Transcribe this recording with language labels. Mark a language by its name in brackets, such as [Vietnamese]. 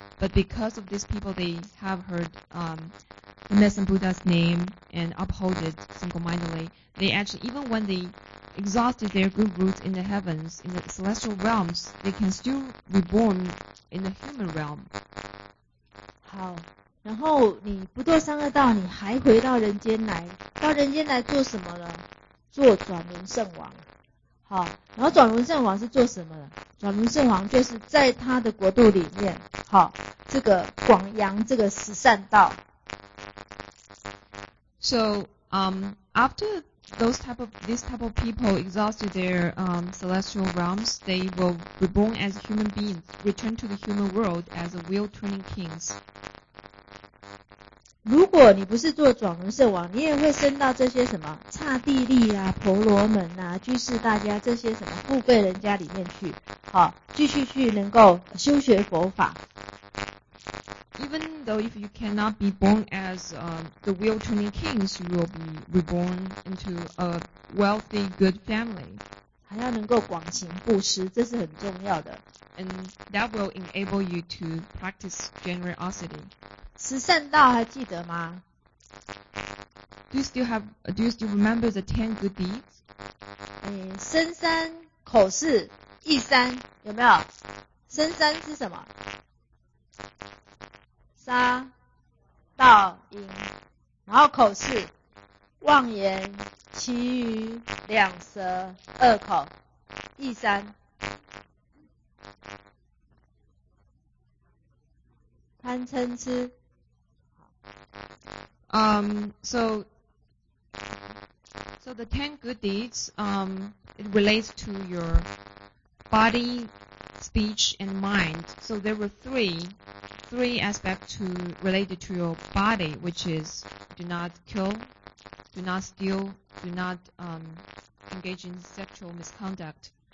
[English] But because of these people, they have heard the Medicine Buddha's name and uphold it single-mindedly. They actually, even when they exhausted their good roots in the heavens, in the celestial realms, they can still be born in the human realm. [Chinese] 好，然后你不堕三恶道，你还回到人间来，到人间来做什么了？做转轮圣王。好，然后转轮圣王是做什么的？转轮圣王就是在他的国度里面，好，这个广扬这个十善道。 [English] So, after those type of, these type of people exhausted their celestial realms, they will reborn as human beings, return to the human world as a wheel turning kings. [Chinese] 如果你不是做转轮圣王，你也会升到这些什么刹帝利啊、婆罗门啊、居士大家这些什么富贵人家里面去，好，继续去能够修学佛法。 [English] Even though if you cannot be born as the wheel-turning kings, you will be reborn into a wealthy, good family. [Chinese] 还要能够广行布施，这是很重要的。 [English] And that will enable you to practice generosity. [Chinese] 十善道还记得吗？ [English] Do you still remember the ten good deeds? [Chinese] 身三、口四、意三，有没有？身三是什么？杀、道、淫，然后口是妄言、绮语、两舌、恶口、意三、贪嗔痴。 [English] So the ten good deeds, it relates to your body, speech, and mind. So there were three aspects related to your body, which is do not kill, do not steal, do not engage in sexual misconduct.